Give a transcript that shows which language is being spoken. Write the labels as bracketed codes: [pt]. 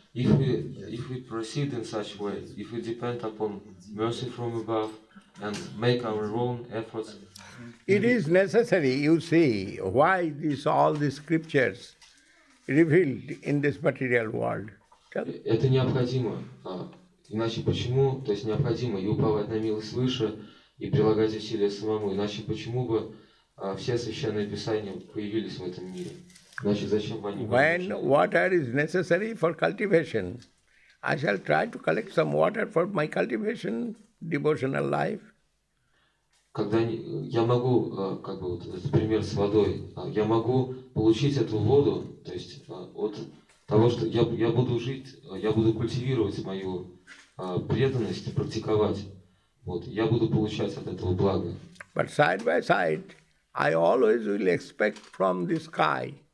[en] If we proceed in such way, if we depend upon mercy from above and make our own efforts, it is necessary. You see why this all these scriptures revealed in this material world. [ru] Это необходимо. Иначе почему? То есть необходимо и уповать на милость свыше и прилагать усилия самому. Иначе почему бы все священные писания появились в этом мире? [en] When water is necessary for cultivation, I shall try to collect some water for my cultivation, devotional life. [ru] Когда я могу, как бы вот этот пример с водой, я могу получить эту воду, то есть от того, что я буду жить, я буду культивировать мою преданность, практиковать. Вот я буду получать от этого благо. [en] But side by side, I always will expect from the sky.